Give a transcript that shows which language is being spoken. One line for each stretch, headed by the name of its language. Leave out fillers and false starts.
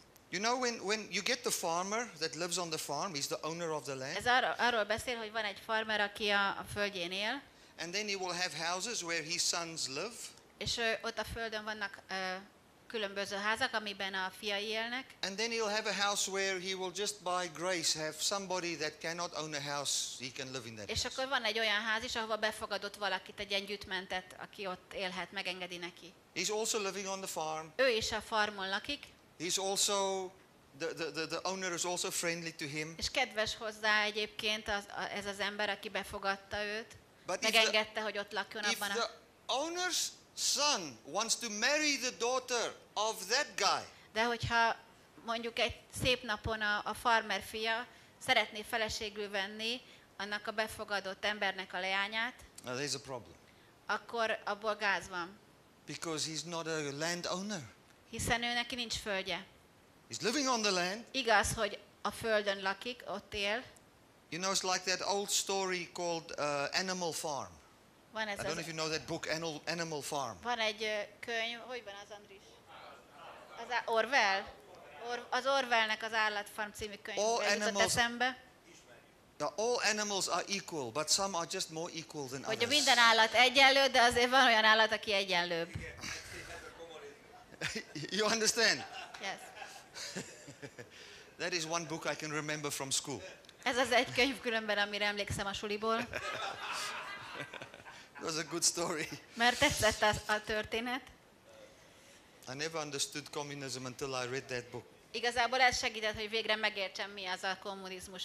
English: You know when you get the farmer that lives on the farm, he's the owner of the land.
Hungarian: Ez arról beszél, hogy van egy farmer, aki a földjén él.
English: And then he will have houses where his sons live.
Hungarian: És ott a földön vannak különböző házak, amiben a fiai élnek.
English: And then he'll have a house where he will just by grace have somebody that cannot own a house, he can live in that.
Hungarian: És akkor van egy olyan ház is, ahova befogadott valakit, egy gyűjtmentet, aki ott élhet, megengedi neki.
English: He's also living on the farm.
Hungarian: Ő is a farmon lakik.
English: He's also the owner is also friendly to him.
Hungarian: És kedves hozzá egyébként ez az ember, aki befogadta őt, megengedte, hogy ott lakjon abban.
English: If the owner's son wants to marry the daughter of that guy.
Hungarian: De hogyha mondjuk egy szép napon a farmer fia szeretné feleségül venni annak a befogadott embernek a leányát.
English: There's a problem.
Hungarian: Akkor abból gáz van.
English: Because he's not a land owner.
Hungarian: Hiszen ő neki nincs földje.
English: He's living on the land.
Hungarian: Igaz, hogy a földön lakik, ott él.
English: You know, it's like that old story called Animal Farm.
Hungarian: Van ez
English: I don't know if you know that book, Animal Farm.
Hungarian: Van egy könyv, hogy van az Andris? Az Orwell? Az Orwellnek az Állatfarm című könyv.
English: All animals, all animals are equal, but some are just more equal than
Hungarian: hogy
English: others.
Hungarian: Hogy minden állat egyenlő, de azért van olyan állat, aki egyenlőbb.
English: You understand? Yes. That is one book I can remember from school.
Hungarian: Ez az egy könyv különben, amire emlékszem a suliból.
English: It was a good story.
Hungarian: Mert tetszett a történet.
English: I never understood communism until I read that book.
Hungarian: Igazából ez segített, hogy végre megértsem, mi az a kommunizmus,